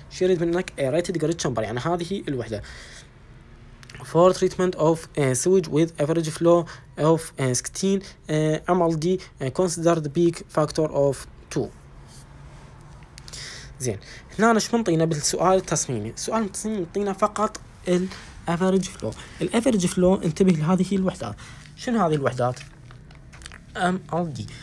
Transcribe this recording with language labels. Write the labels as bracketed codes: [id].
[ar] شو يريد منك Aerated Grid Chamber؟ يعني هذه الوحدة. [en] For treatment of sewage with average flow of 16 MLD, consider the peak factor of 2. [ar] زين. هنا نش منطينا بالسؤال التصميمي. سؤال التصميمي منطينا فقط average flow. Average flow انتبه لهذه الوحدات. شنو هذه الوحدات؟ MLD.